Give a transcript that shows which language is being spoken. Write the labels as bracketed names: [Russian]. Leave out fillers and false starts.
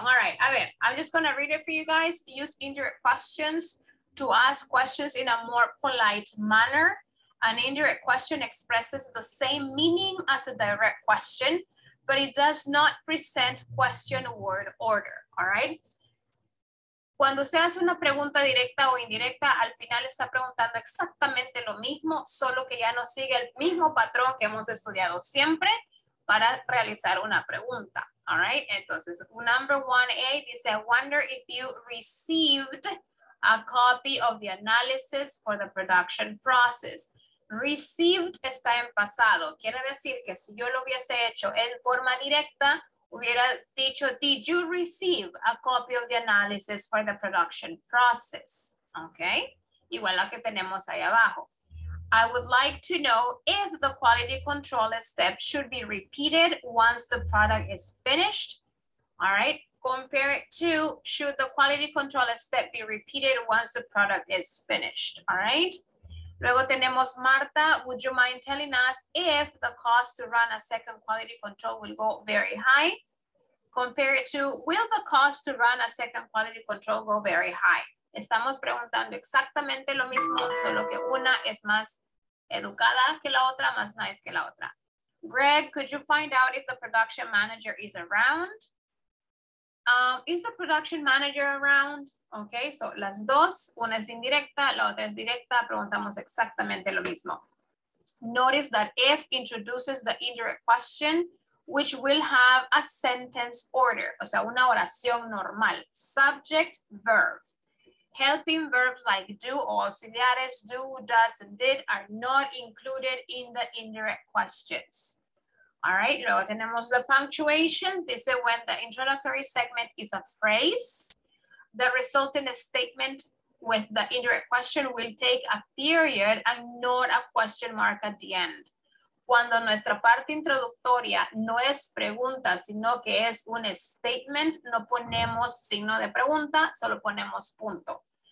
[English] All right, [Spanish] a ver, [English] I'm just going to read it for you guys. Use indirect questions to ask questions in a more polite manner. An indirect question expresses the same meaning as a direct question, but it does not present question word order. All right? [Spanish] Cuando usted hace una pregunta directa o indirecta, al final está preguntando exactamente lo mismo, solo que ya no sigue el mismo patrón que hemos estudiado siempre para realizar una pregunta. [English] All right? [Spanish] Entonces, [English] number 1A dice, I wonder if you received a copy of the analysis for the production process. [Spanish] Received está en pasado. Quiere decir que si yo lo hubiese hecho en forma directa, hubiera dicho, [English] did you receive a copy of the analysis for the production process? [Spanish] Okay, igual lo que tenemos ahí abajo. [English] I would like to know if the quality control step should be repeated once the product is finished. All right, compare it to, should the quality control step be repeated once the product is finished, all right? [Spanish] Luego tenemos [English] Marta, would you mind telling us if the cost to run a second quality control will go very high? Compare it to, will the cost to run a second quality control go very high? [Spanish] Estamos preguntando exactamente lo mismo, solo que una es más educada que la otra, más nice que la otra. [English] Greg, could you find out if the production manager is around? Is the production manager around? Okay, so [Spanish] las dos, una es indirecta, la otra es directa, preguntamos exactamente lo mismo. [English] Notice that if introduces the indirect question, which will have a sentence order, [Spanish] o sea, una oración normal, [English] subject, verb. Helping verbs like do or auxiliares, do, does, and did are not included in the indirect questions. All right, [Spanish] luego tenemos [English] the punctuations. [Spanish] Dice [English] when the introductory segment is a phrase, the resulting statement with the indirect question will take a period and not a question mark at the end. [Spanish] Cuando nuestra parte introductoria no es pregunta, sino que es un statement, no ponemos signo de pregunta, solo ponemos punto.